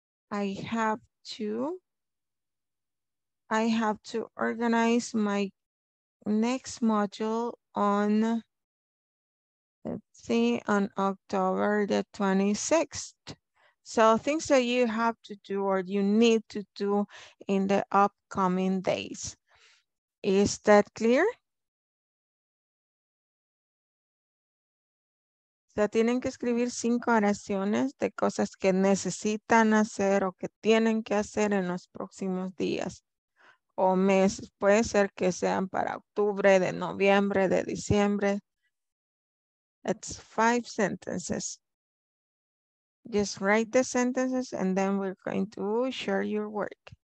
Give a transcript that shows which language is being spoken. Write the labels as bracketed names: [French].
[English] I have to organize my next module on, let's see, on October the 26th. So things that you have to do or you need to do in the upcoming days. Is that clear? [Spanish] O sea, tienen que escribir 5 oraciones de cosas que necesitan hacer o que tienen que hacer en los próximos días o meses. Puede ser que sean para octubre, de noviembre, de diciembre. [English] It's 5 sentences. Just write the sentences and then we're going to share your work.